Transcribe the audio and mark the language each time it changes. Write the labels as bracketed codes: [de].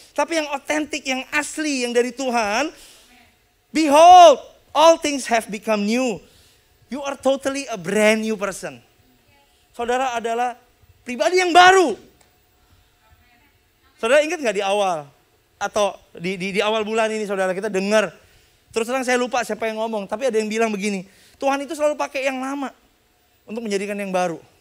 [id] Tapi yang otentik, yang asli, yang dari Tuhan. [en] Behold, all things have become new. You are totally a brand new person. [id] Saudara adalah pribadi yang baru. Saudara ingat gak di awal? Atau di awal bulan ini saudara kita dengar. Terus terang saya lupa siapa yang ngomong. Tapi ada yang bilang begini. Tuhan itu selalu pakai yang lama. Untuk menjadikan yang baru.